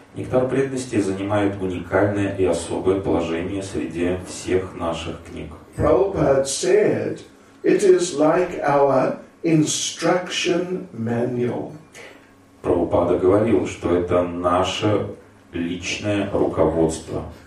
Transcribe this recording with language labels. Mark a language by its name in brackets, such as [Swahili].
[Russian] Нектар преданности занимает уникальное и особое положение среди всех наших книг. [English] Prabhupada said, it is like our instruction manual. [Russian] Прабхупада говорил, что это наше личное руководство.